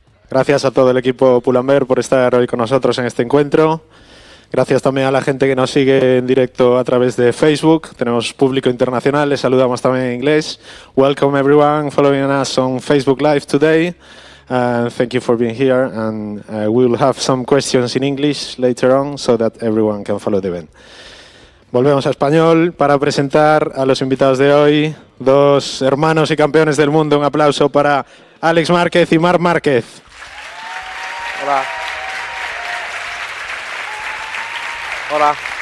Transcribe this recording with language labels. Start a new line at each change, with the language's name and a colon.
Spanish: Gracias a todo el equipo Pull&Bear por estar hoy con nosotros en este encuentro. Gracias también a la gente que nos sigue en directo a través de Facebook. Tenemos público internacional, les saludamos también en inglés.
English: Welcome everyone following us on Facebook Live today. Thank you for being here and we will have some questions in English later on so that everyone can follow the event.
Spanish: Volvemos a español para presentar a los invitados de hoy, dos hermanos y campeones del mundo. Un aplauso para Àlex Márquez y Marc Márquez. Hola. Hola.